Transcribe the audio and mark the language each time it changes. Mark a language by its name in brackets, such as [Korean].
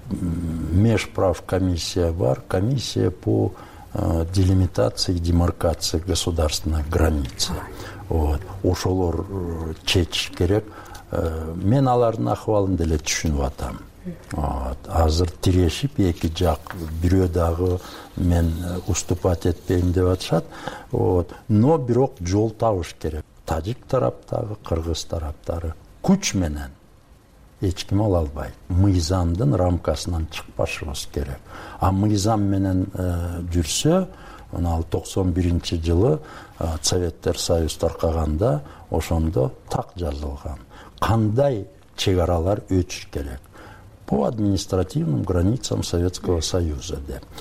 [Russian] Межправкомиссия бар, комиссия по делимитации, демаркации государственной границы. [Kyrgyz] Вот. Ошолор чечиш керек. Мен алардын акыбалын деле түшүнүп атам. Вот. Азыр тирешип эки жак бирөө дагы мен уступать этпейм деп атышат. Вот. Но бирок жол табыш керек. Тажик тараптагы, кыргыз тараптары күч менен эч ким ала албайт. Мыйзамдын рамкасынан чыкпашыбыз керек. А мыйзам менен жүрсө, анан 91 жылы Советтер Союз таркаганда ошондо так жазылган. Кандай чек аралар өтүш керек? [Russian] По административным границам Советского Союза деп.